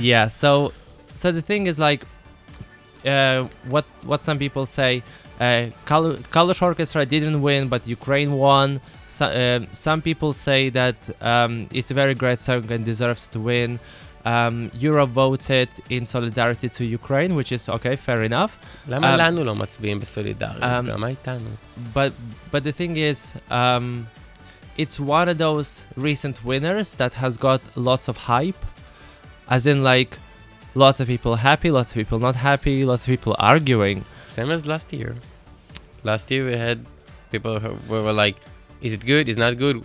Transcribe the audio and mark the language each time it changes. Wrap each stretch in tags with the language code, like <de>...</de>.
<en>yeah, so the thing is like, what some people say, Kalush Orchestra didn't win, but Ukraine won. Some people say that it's a very great song and deserves to win. Europe voted in solidarity to Ukraine, which is okay, fair enough.</en> <he>למה לנו לא מצביעים בסולידריות? מה איתנו?</he> <en>But the thing is, it's one of those recent winners that has got lots of hype, as in like lots of people happy, lots of people not happy, lots of people arguing. Same as last year. Last year we had people who were like, is it good? Is not good?</en>